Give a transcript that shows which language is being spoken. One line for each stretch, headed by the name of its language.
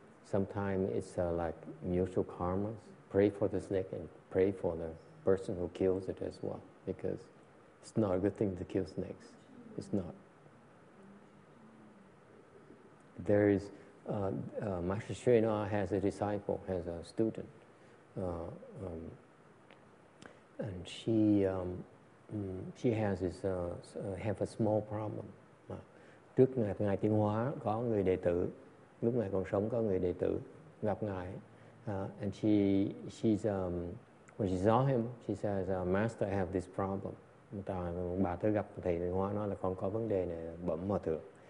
English: Sometimes it's like mutual karma. Pray for the snake and pray for the person who kills it as well, because it's not a good thing to kill snakes. It's not. There is, Master Srinath has a disciple, has a student, and she... she has this, have a small problem.
Vietnamese: Trước ngài tiến hóa có người đệ tử, lúc ngài còn sống có người đệ tử gặp ngài.
English: And she's when she saw him, she says, "Master, I have this problem."
Vietnamese: Bà tới gặp thầy tiến hóa nói là con có vấn đề này, bẩm hòa thượng.